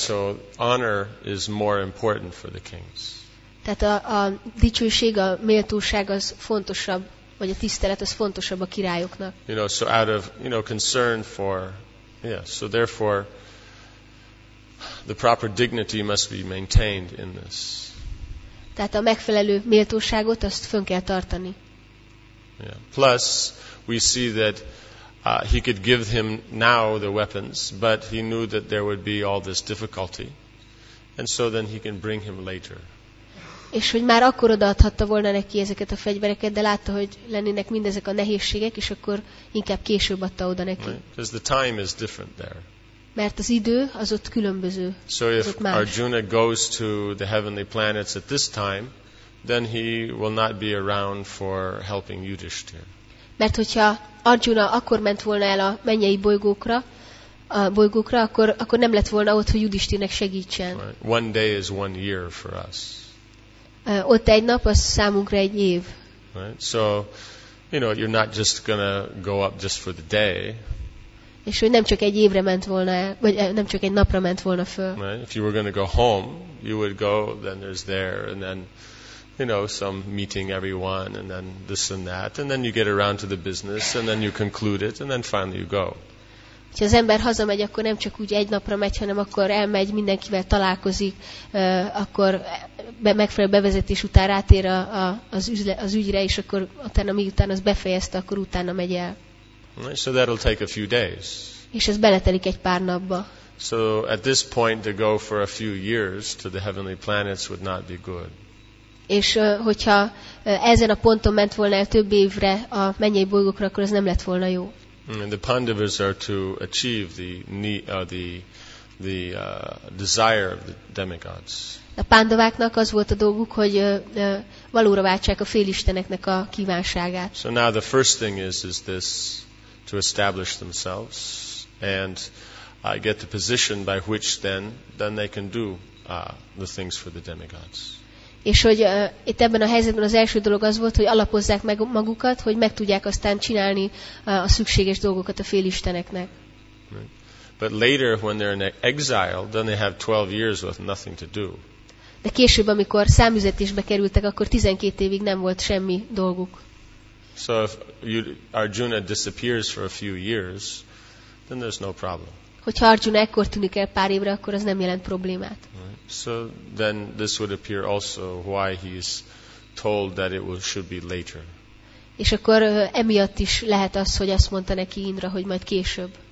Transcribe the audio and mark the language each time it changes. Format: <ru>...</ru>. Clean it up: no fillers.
<en>So honor is more important for the kings.</en> <hu>Tehát a dicsőség, a méltóság az fontosabb, vagy a tisztelet az fontosabb a királyoknak.</hu> <en>You know, so out of, you know, concern for, yeah, so therefore the proper dignity must be maintained in this.</en> <hu>Tehát a megfelelő méltóságot azt fönn kell tartani.</hu> <en>Yeah. Plus we see that he could give him now the weapons, but he knew that there would be all this difficulty, and so then he can bring him later.</en> <hu>És hogy már akkor odaadhatta volna neki ezeket a fegyvereket, de látta, hogy lennének mindezek a nehézségek, és akkor inkább később adta oda neki.</hu> <en>Because the time is different there.</en> <hu>Mert az idő az ott különböző.</hu> <en>So if Arjuna goes to the heavenly planets at this time, then he will not be around for helping Yudhishthir.</en> <hu>Mert hogyha Arjuna akkor ment volna el a mennyei bolygókra, akkor nem lett volna ott, hogy Yudhishthirnek segítsen.</hu> <en>Right. One day is one year for us.</en> <hu>Ott egy nap, az számunkra egy év.</hu> <en>Right. So, you know, you're not just gonna go up just for the day.</en> <hu>És hogy nem csak egy évre ment volna el, vagy nem csak egy napra ment volna föl.</hu> <en>Right. If you were gonna go home, you would go, then there's there, and then, you know, some meeting everyone, and then this and that, and then you get around to the business, and then you conclude it, and then finally you go.</en> <hu>Ha az ember hazamegy, akkor nem csak úgy egy napra megy, hanem akkor elmegy, mindenkivel találkozik, akkor megfelelő bevezetés után rátér az ügyre, és akkor utána, miután az befejezte, akkor utána megy el.</hu> <en>So that'll take a few days.</en> <hu>És ez beletelik egy pár napba.</hu> <en>So at this point to go for a few years to the heavenly planets would not be good.</en> <hu>És hogyha ezen a ponton ment volna el több évre a mennyei bolygókra, akkor ez nem lett volna jó.</hu> <en>And the Pandavas are to achieve the desire of the demigods.</en> <hu>A pandaváknak az volt a dolguk, hogy valóra váltsák a félisteneknek a kívánságát.</hu> <en>So now the first thing is this, to establish themselves and get the position by which then they can do the things for the demigods.</en> <hu>És hogy itt ebben a helyzetben az első dolog az volt, hogy alapozzák meg magukat, hogy meg tudják aztán csinálni a szükséges dolgokat a félisteneknek.</hu> <en>But later when they're in exile, then they have 12 years with nothing to do.</en> <hu>De később, amikor számüzetésbe kerültek, akkor 12 évig nem volt semmi dolguk.</hu> <en>So if Arjuna disappears for a few years, then there's no problem.</en> <hu>Hogyha Arjuna ekkor tűnik el pár évre, akkor az nem jelent problémát.</hu> <en>So then this would appear also why he is told that it should be later.</en> <hu>És akkor emiatt is lehet az, hogy azt mondta neki Indra, hogy majd később.</hu>